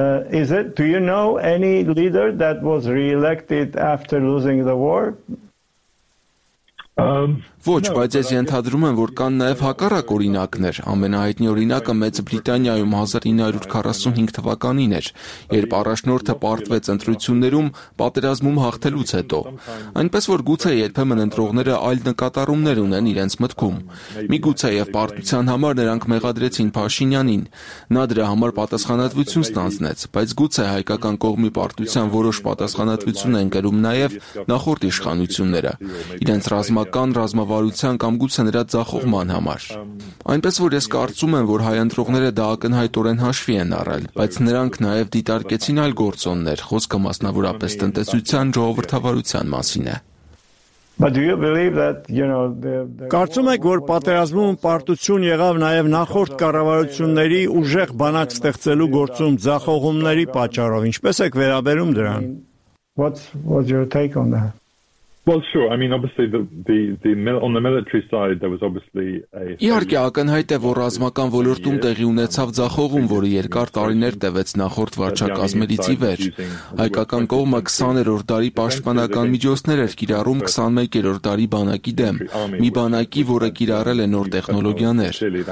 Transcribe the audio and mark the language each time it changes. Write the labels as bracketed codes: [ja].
[en] Is it, do you know any leader that was re-elected after losing the war? [hy] Ոչ, բայց ես ենթադրում եմ, որ կան նաև հակառակ օրինակներ։ Ամենահայտնի օրինակը Մեծ Բրիտանիայում 1945 թվականին էր, երբ առաջնորդը պարտվեց ընտրություններում պատերազմում հաղթելուց հետո։ Այնպես որ գուցե երբեմն ընտրողները այլ նկատառումներ ունեն իրենց մտքում։ Միգուցե եւ պարտության համար նրանք մեղադրեցին Փաշինյանին, նա դրա համար պատասխանատվություն ստանձնեց, բայց գուցե հայկական կողմի պարտության որոշ պատասխանատվություն են կրում նաև նախորդ իշխանությունները։ Իրենց ռազմական ռազմավարության կամ գուցե նրա ձախողման համար։ Այնպես որ ես կարծում եմ, որ հայ ընտրողները դա ակնհայտորեն հաշվի են առել, բայց նրանք նաև դիտարկեցին այլ գործոններ, խոսքը մասնավորապես տնտեսության ժողովրդավարության մասին է։ Կարծում եք, որ պատերազմում պարտություն եղավ նաև նախորդ կառավարությունների ուժեղ բանակ ստեղծելու գործում ձախողումների պատճառով, ինչպես եք վերաբերում դրան։ [en] What's your take on that? Well, sure. I mean, obviously, the on the military side, there was obviously a. [hy] Իհարկե, ակնհայտ է, որ ռազմական ոլորտում տեղի ունեցավ ձախողում, որը երկար տարիներ տևեց նախորդ վարչակազմերից ի վեր։ Հայկական կողմը 20-րդ դարի պաշտպանական միջոցներ էր կիրառում 21-րդ դարի բանակի դեմ, մի բանակի, որը կիրառել է նոր տեխնոլոգիաներ։